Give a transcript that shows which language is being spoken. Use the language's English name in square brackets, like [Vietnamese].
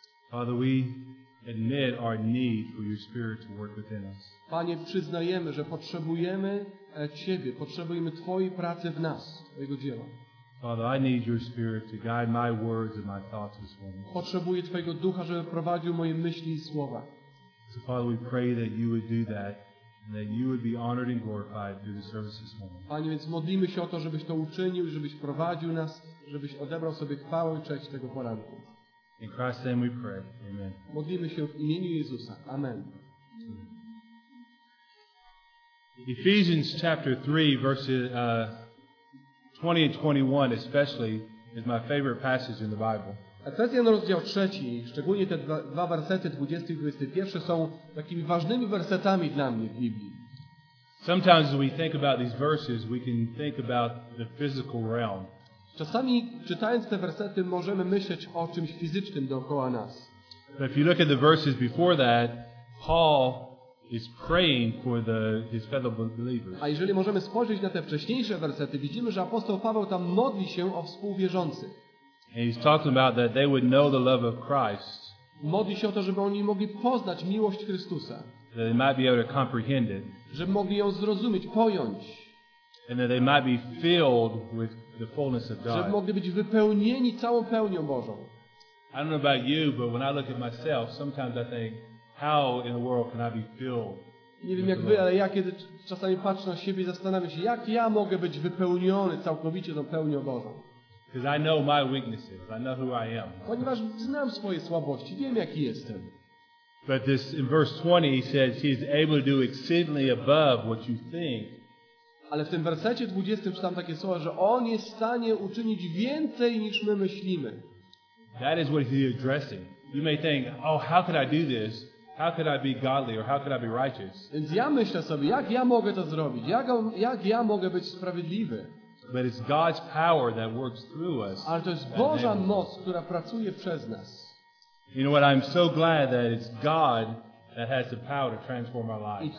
[English] Father, we admit our need for your spirit to work within us. [Polish] Panie, przyznajemy, że potrzebujemy Ciebie, potrzebujemy Twojej pracy w nas, Twojego dzieła. [English] Father, I need your spirit to guide my words and my thoughts this morning. [Polish] Potrzebuję Twojego Ducha, żeby prowadził moje myśli i słowa. [English] So Father, we pray that you would do that and that you would be honored and glorified through the service this morning. [Polish] Panie, więc modlimy się o to, żebyś to uczynił, żebyś prowadził nas, żebyś odebrał sobie chwałę i cześć tego poranku. [English] In Christ's name we pray. Amen. [Polish] Modlimy się w imieniu Jezusa. Amen. [English] Ephesians chapter 3 verses 20 and 21 especially is my favorite passage in the Bible. [Polish] Efezjan rozdział 3, szczególnie te dwa wersety 20 i 21 są takimi ważnymi wersetami dla mnie w Biblii. [English] Sometimes as we think about these verses, we can think about the physical realm. [Polish] Czasami czytając te wersety możemy myśleć o czymś fizycznym dookoła nas. [English] But if you look at the verses before that, Paul is praying for his fellow believers. [Polish] A jeżeli możemy spojrzeć na te wcześniejsze wersety, widzimy, że apostoł Paweł tam modli się o współwierzących. [English] And he's talking about that they would know the love of Christ. [Polish] Modli się o to, żeby oni mogli poznać miłość Chrystusa. [English] That they might be able to comprehend it. [Polish] Żeby mogli ją zrozumieć, pojąć. [English] And that they might be filled with the fullness of God. [Polish] Żeby mogli być wypełnieni całą pełnią Bożą. [English] I don't know about you, but when I look at myself, sometimes I think, how in the world can I be filled? [Polish] Nie wiem jak wy, ale ja kiedy czasami patrzę na siebie i zastanawiam się, jak ja mogę być wypełniony całkowicie tą pełnią Bożą. [English] Because I know my weaknesses, I know who I am. [Polish] Ponieważ znam swoje słabości, wiem jaki jestem. [English] But this in verse 20 he says he is able to do exceedingly above what you think. [Polish] Ale w tym wersecie 20 czytam takie słowa, że on jest w stanie uczynić więcej niż my myślimy. [English] That is what he is addressing. You may think, oh, how could I do this? How could I be godly or how could I be righteous? [Polish] Więc ja myślę sobie, jak ja mogę to zrobić? Jak ja mogę być sprawiedliwy? [English] But it's God's power that works through us. [Polish] Ale to jest Boża moc, która pracuje przez nas. [English] You know what? I'm so glad that it's God that has the power to transform our lives.